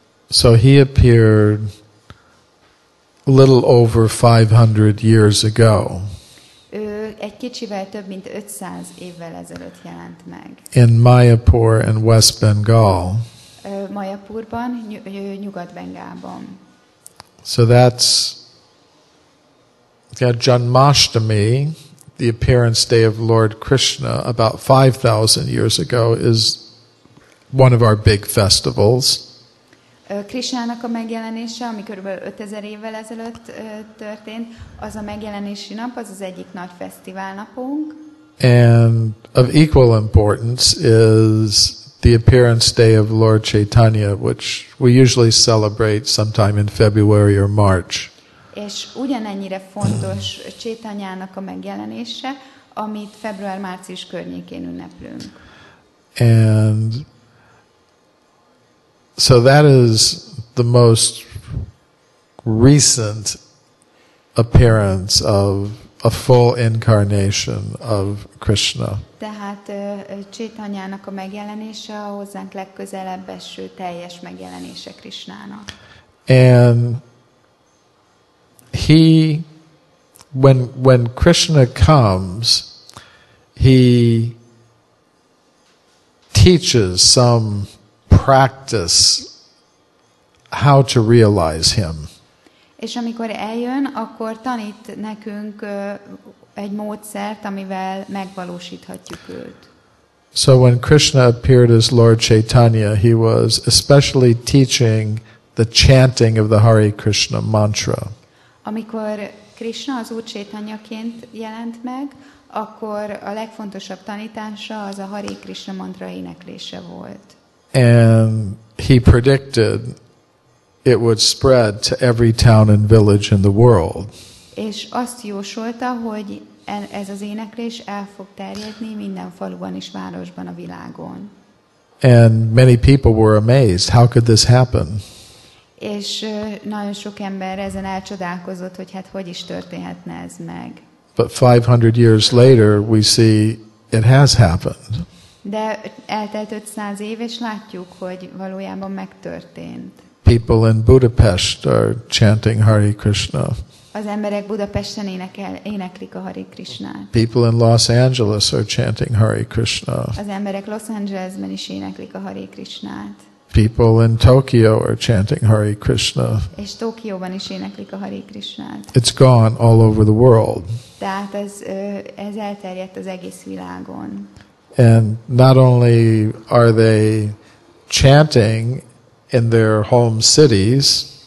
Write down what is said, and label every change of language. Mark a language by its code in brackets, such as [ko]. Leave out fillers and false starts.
[en] So he appeared a little over 500 years ago. [hu] Egy kicsivel több mint 500 évvel ezelőtt jelent meg. [en] In Mayapur in West Bengal. [hu] Mayapurban, Nyugat-Bengálban. [en] So that's Janmashtami, the appearance day of Lord Krishna about 5000 years ago, is one of our big festivals. [hu] Krishnának a megjelenése, ami körülbelül 5000 évvel ezelőtt történt, az a megjelenési nap, az egyik nagy fesztiválnapunk. [en] And of equal importance is the appearance day of Lord Chaitanya, which we usually celebrate sometime in February or March. [hu] És ugyanennyire fontos Chaitanyának a megjelenése, amit február-március környékén ünneplünk. [en] And so that is the most recent appearance of a full incarnation of Krishna. [hu] Tehát Chaitanyának a megjelenése a hozzánk legközelebb eső teljes megjelenése Krishnának. [en] And he, when Krishna comes, he teaches some practice how to realize him. [hu] És amikor eljön, akkor tanít nekünk egy módszert, amivel megvalósíthatjuk őt. [en] So when Krishna appeared as Lord Chaitanya, he was especially teaching the chanting of the Hare Krishna mantra. [hu] Amikor Krishna az Úr Chaitanyaként jelent meg, akkor a legfontosabb tanítása az a Hare Krishna mantra éneklése volt. [en] And he predicted it would spread to every town and village in the world. [hu] És azt jósolta, hogy ez az éneklés el fog terjedni minden faluban és városban a világon. [en] And many people were amazed. How could this happen? [hu] És nagyon sok ember ezen elcsodálkozott, hogy hát hogy is történhetne ez meg. [en] But 500 years later we see it has happened. [hu] De eltelt 500 év, és látjuk, hogy valójában megtörtént. [en] People in Budapest are chanting Hare Krishna. [hu] Az emberek Budapesten éneklik a Hare Krishnát. [en] People in Los Angeles are chanting Hare Krishna. [hu] Az emberek Los Angelesben is éneklik a Hare Krishnát. [en] People in Tokyo are chanting Hare Krishna. [hu] És Tokióban is éneklik a Hare Krishnát. [en] It's gone all over the world. [hu] Tehát ez elterjedt az egész világon. [en] And not only are they chanting in their home cities,